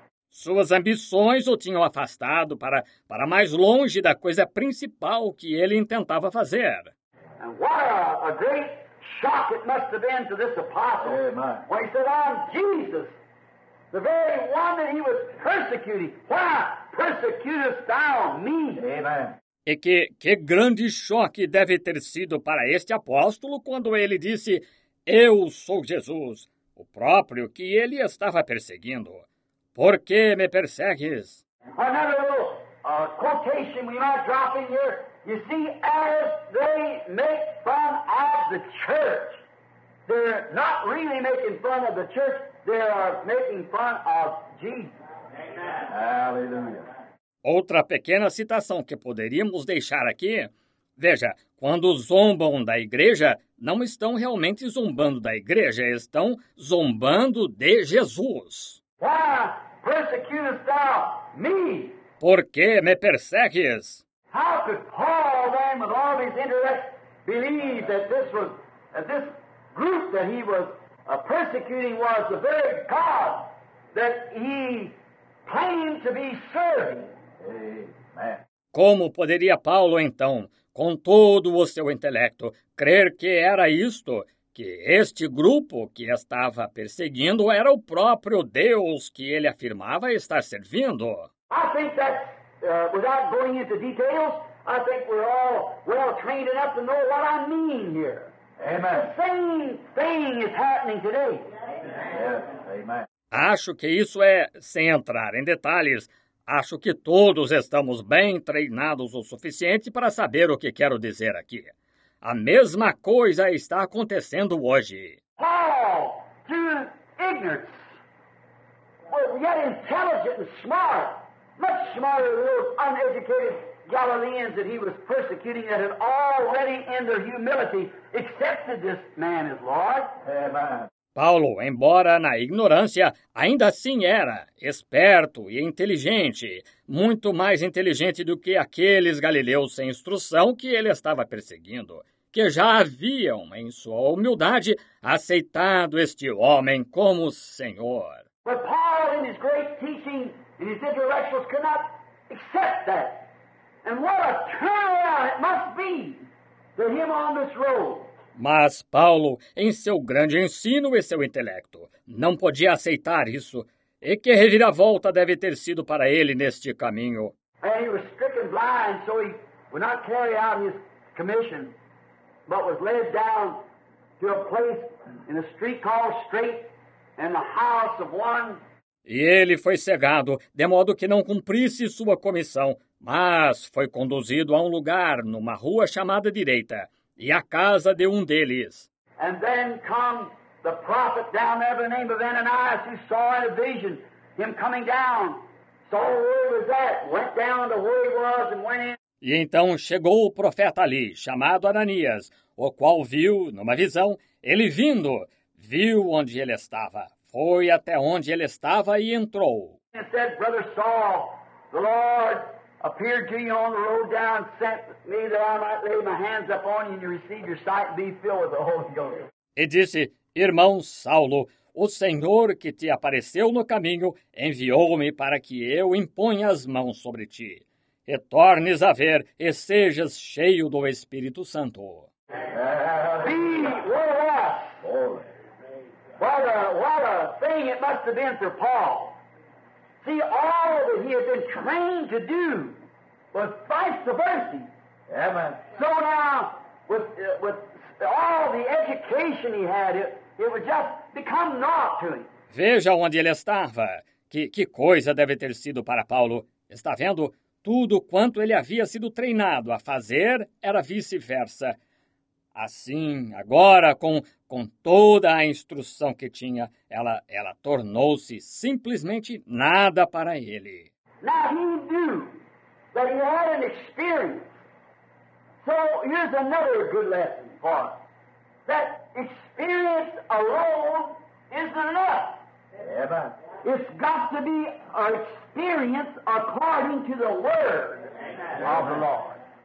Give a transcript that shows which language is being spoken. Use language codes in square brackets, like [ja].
[pt] Suas ambições o tinham afastado para mais longe da coisa principal que ele intentava fazer. [en] And what a great shock it must have been to this apostle. Amen. When he said, I'm Jesus, the very one that he was persecuting. Why persecutest thou me? Amen. [pt] E que grande choque deve ter sido para este apóstolo quando ele disse, eu sou Jesus, o próprio que ele estava perseguindo. Por que me persegues? [en] Another little quotation we might drop in here. You see, as they make fun of the church, they're not really making fun of the church, they are making fun of Jesus. Hallelujah. [pt] Outra pequena citação que poderíamos deixar aqui. Veja, quando zombam da igreja, não estão realmente zombando da igreja, estão zombando de Jesus. [en] Why persecutest thou me? [pt] Por que me persegues? [en] How could Paul then, with all his intellect, believe that this was that this group that he was persecuting was the very God that he claimed to be serving? Amen. [pt] Como poderia Paulo, então, com todo o seu intelecto, crer que era isto, que este grupo que estava perseguindo era o próprio Deus que ele afirmava estar servindo? [en] I think that, without going into details, I think we're all well-trained enough to know what I mean here. Amen. The same thing is happening today. Amen. [pt] Acho que isso é, sem entrar em detalhes, acho que todos estamos bem treinados o suficiente para saber o que quero dizer aqui. A mesma coisa está acontecendo hoje. [en] Paul, through ignorance, but yet intelligent and smart, much smarter than those uneducated Galileans that he was persecuting that had already in their humility accepted this man as Lord. Amen. [pt] Paulo, embora na ignorância, ainda assim era esperto e inteligente, muito mais inteligente do que aqueles galileus sem instrução que ele estava perseguindo, que já haviam, em sua humildade, aceitado este homem como Senhor. [en] But Paul, in his great teaching, in his intellectuals, could not accept that. And what a turnaround it must be to him on this road. [pt] Mas Paulo, em seu grande ensino e seu intelecto, não podia aceitar isso. E que reviravolta deve ter sido para ele neste caminho? [en] And he was stricken blind, so he would not carry out his commission, but was led down to a place in a street called Straight, in the house of one. [pt] E ele foi cegado, de modo que não cumprisse sua comissão, mas foi conduzido a um lugar numa rua chamada Direita, e a casa de um deles. [en] And then come the prophet down there by the name of Ananias, who saw in a vision him coming down. Saw where he was at, went down to where he was and went in. [pt] E então chegou o profeta ali, chamado Ananias, o qual viu, numa visão, ele vindo, viu onde ele estava, foi até onde ele estava e entrou. [en] And said, Brother Saul, the Lord appeared to you on the road down and sent me that I might lay my hands upon you and receive your sight and be filled with the Holy Ghost. [pt] E disse, Irmão Saulo, o Senhor que te apareceu no caminho enviou-me para que eu imponha as mãos sobre ti. E tornes a ver e sejas cheio do Espírito Santo. [en] Be with us. What a thing it must have been for Paul. See, all that he had been trained to do was vice versa. Amen. So now, with all the education he had, it would just become naught to him. [pt] Veja onde ele estava. Que coisa deve ter sido para Paulo. Está vendo? Tudo quanto ele havia sido treinado a fazer era vice-versa. Assim, agora, com toda a instrução que tinha, ela tornou-se simplesmente nada para ele. [en] Now he knew that he had an experience. So here's another good lesson for us. That experience alone isn't enough. Amen. It's got to be our experience according to the word of the Lord.